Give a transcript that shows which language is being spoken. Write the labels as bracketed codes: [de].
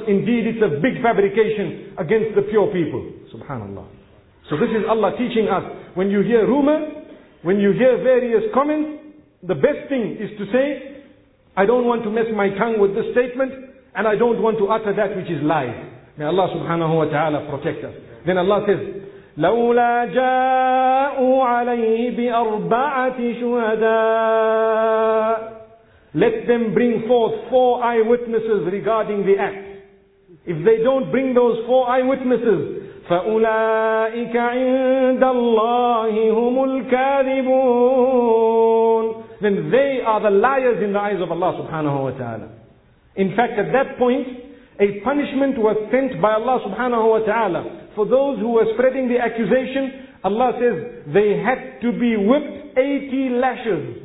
[en] Indeed, it's a big fabrication against the pure people. Subhanallah. So this is Allah teaching us. When you hear rumor, when you hear various comments, the best thing is to say, I don't want to mess my tongue with this statement, and I don't want to utter that which is lies. May Allah subhanahu wa ta'ala protect us. Then Allah says, [ar] لولا جاءوا عليه بأربعة شهداء. [en] Let them bring forth four eyewitnesses regarding the act. If they don't bring those four eyewitnesses, [ar] فأولئك عند الله هم الكاذبون. [en] Then they are the liars in the eyes of Allah subhanahu wa ta'ala. In fact, at that point, a punishment was sent by Allah subhanahu wa ta'ala for those who were spreading the accusation. Allah says they had to be whipped 80 lashes.